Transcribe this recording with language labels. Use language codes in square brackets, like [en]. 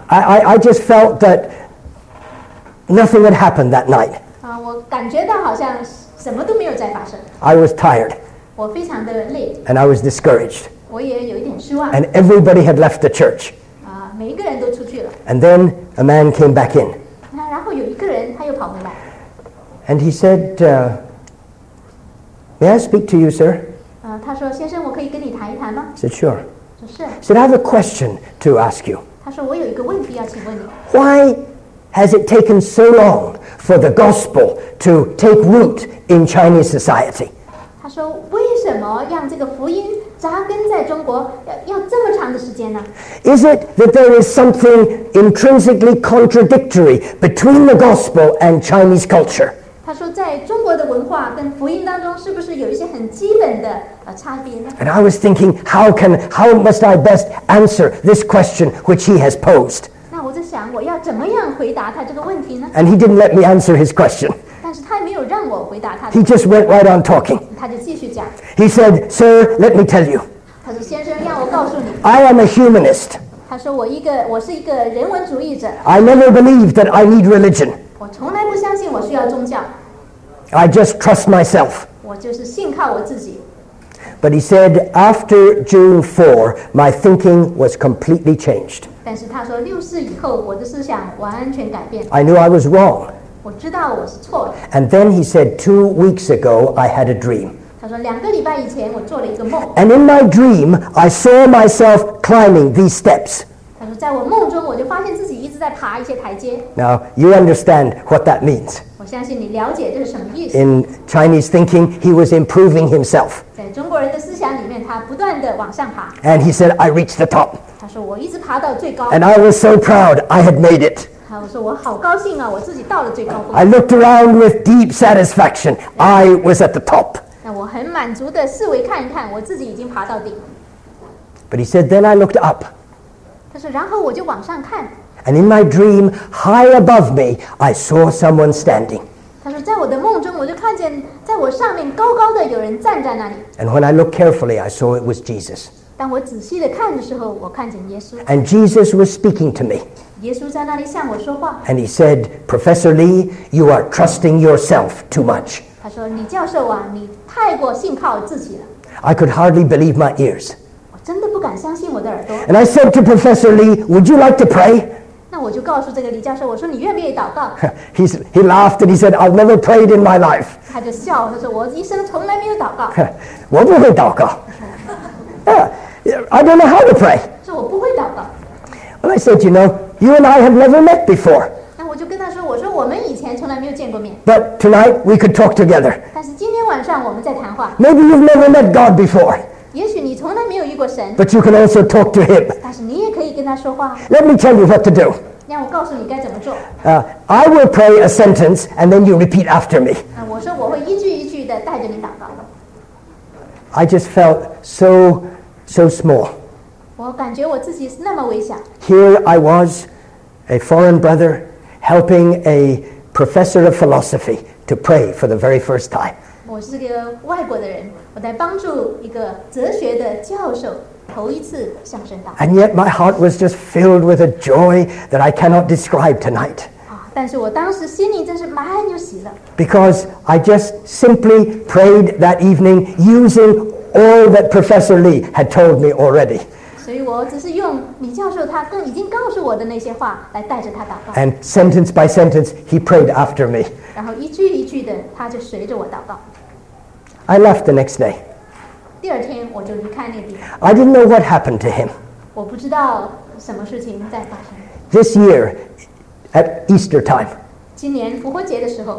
[en] I just felt that nothing had happened that night. [zh] 我感觉到好像什么都没有再发生。 [en] I was tired. [zh] 我非常的累。 [en] And I was discouraged. [zh] 我也有一点失望。 [en] And everybody had left the church. [zh] 每一个人都出去了。 [en] And then a man came back in. [zh] 然后有一个人他又跑回来。 [en] And he said, may I speak to you, sir? [zh] 他说，先生，我可以跟你谈一谈吗？ [en] I said, sure. [zh] 是。 [en] He said, I have a question to ask you. [zh] 他说，我有一个问题要请问你。 [en] Why? Has it taken so long for the gospel to take root in Chinese society? [zh] 他说，为什么让这个福音扎根在中国要这么长的时间呢？ [en] Is it that there is something intrinsically contradictory between the gospel and Chinese culture? [zh] 他说，在中国的文化跟福音当中是不是有一些很基本的差别呢？ [en] And I was thinking, how must I best answer this question which he has posed? [zh] 我要怎么样回答他这个问题呢？ [en] And he didn't let me answer his question. [zh] 但是他没有让我回答他。 [en] He just went right on talking. [zh] 他就继续讲。 [en] He said, "Sir, let me tell you." [zh] 他说，先生，让我告诉你。 [en] I am a humanist. [zh] 他说，我是一个人文主义者。 [en] I never believed that I need religion. [zh] 我从来不相信我需要宗教。 [en] I just trust myself. [zh] 我就是信靠我自己。 [en] But he said, after June 4, my thinking was completely changed. [zh] 但是他说六四以后，我的思想完全改变。 [en] I knew I was wrong. [zh] 我知道我是错的。 [en] And then he said, 2 weeks ago, I had a dream. [zh] 他说两个礼拜以前我做了一个梦。 [en] And in my dream, I saw myself climbing these steps. [zh] 他说在我梦中，我就发现自己一直在爬一些台阶。 [en] Now, you understand what that means. [zh] 我相信你了解这是什么意思。 [en] In Chinese thinking, he was improving himself. [zh] 在中国人的思想里面，他不断地往上爬。 [en] And he said, I reached the top. [zh] 他说我一直爬到最高。 [en] And I was so proud, I had made it. [zh] 我说我好高兴啊，我自己到了最高峰。 [en] I looked around with deep satisfaction. I was at the top. [zh] 那我很满足地四围看一看，我自己已经爬到顶。 [en] But he said, then I looked up. [zh] 他说然后我就往上看。 [en] And in my dream, high above me, I saw someone standing. [zh] 他说，在我的梦中，我就看见在我上面高高的有人站在那里。 [en] And when I looked carefully, I saw it was Jesus. [zh] 当我仔细地看的时候，我看见耶稣。 [en] And Jesus was speaking to me. [zh] 耶稣在那里向我说话。 [en] And he said, Professor Lee, you are trusting yourself too much. [zh] 他说，李教授啊，你太过信靠自己了。 [en] I could hardly believe my ears. [zh] 我真的不敢相信我的耳朵。 [en] And I said to Professor Lee, would you like to pray? [zh] 那我就告诉这个李教授，我说你愿不愿意祷告？ [en] He laughed and he said, I've never prayed in my life. [zh] 他就笑，他说我一生从来没有祷告。我不会祷告。 [en] I don't know how to pray. [zh] 说我不会祷告。 [en] Well, I said, you know, you and I have never met before. [zh] 那我就跟他说，我说我们以前从来没有见过面。 [en] But tonight we could talk together. [zh] 但是今天晚上我们在谈话。 [en] Maybe you've never met God before. [zh] 也许你从来没有遇过神。 [en] But you can also talk to him. [zh] 但是你也可以跟他说话。 [en] Let me tell you what to do. [zh] 让我告诉你该怎么做。 [en] I will pray a sentence and then you repeat after me. [zh] 我说我会一句一句的带着你祷告的。 [en] I just felt so small. [zh] 我感觉我自己那么微小。 [en] Here I was, a foreign brother, helping a professor of philosophy to pray for the very first time. [zh] 我是个外国的人，我来帮助一个哲学的教授头一次上圣道。 [en] And yet my heart was just filled with a joy that I cannot describe tonight. [zh] 但是我当时心里真是满有喜乐。 [en] Because I just simply prayed that evening using all that Professor Lee had told me already. [zh] 所以我只是用李教授他已经告诉我的那些话来带着他祷告。 [en] And sentence by sentence, he prayed after me. [zh] 然后一句一句的，他就随着我祷告。 [en] I left the next day. [zh] 第二天我就离开那边。 [en] I didn't know what happened to him. [zh] 我不知道什么事情在发生。 [en] This year, at Easter time, [zh] 今年复活节的时候，